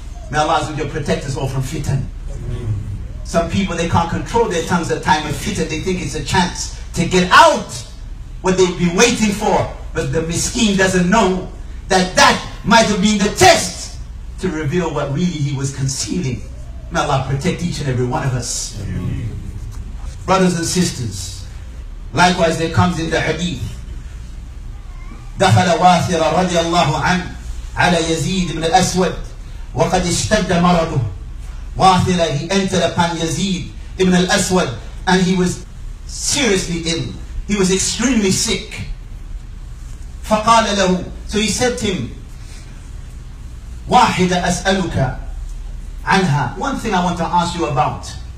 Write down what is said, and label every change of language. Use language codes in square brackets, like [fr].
[en] May Allah protect us all from fitan. Some people, they can't control their tongues at time of fitan. They think it's a chance to get out what they've been waiting for. But the miskeen doesn't know that that might have been the test to reveal what really he was concealing. May Allah protect each and every one of us. Amen. Brothers and sisters, likewise there comes in the hadith, [ar] دخل واثر رضي الله عنه على يزيد بن الأسود وقد اشتد مرضه. [en] واثر, he entered upon Yazid ibn al-Aswad and he was seriously ill. He was extremely sick. [ar] فقال له, [en] so he said to him, [ar] واحدة أسألك عنها, [en] one thing I want to ask you about.